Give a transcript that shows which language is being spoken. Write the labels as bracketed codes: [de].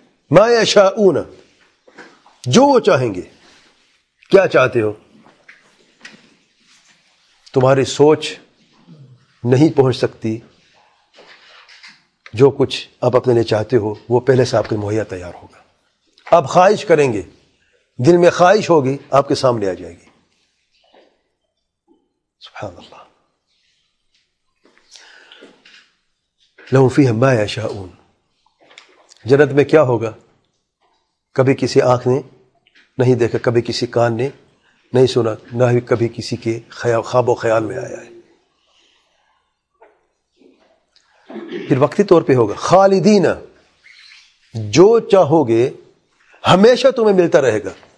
[ar] ما یشاؤون، [ur] جو وہ چاہیں گے. کیا چاہتے ہو؟ تمہاری سوچ نہیں پہنچ سکتی، جو کچھ آپ اپنے لیے چاہتے ہو وہ پہلے سے آپ کے مہیا تیار ہوگا. آپ خواہش کریں گے، دل میں خواہش ہوگی، آپ کے سامنے آ جائے گی. [ar] سبحان الله، لهم فيها ما يشاءون. [ur] جنت میں کیا ہوگا؟ کبھی کسی آنکھ نے نہیں دیکھا، کبھی کسی کان نے نہیں سنا، نہ ہی کبھی کسی کے خیال خواب و خیال میں آیا ہے. پھر وقتی طور پہ ہوگا، خالدین، جو چاہو گے ہمیشہ تمہیں ملتا رہے گا.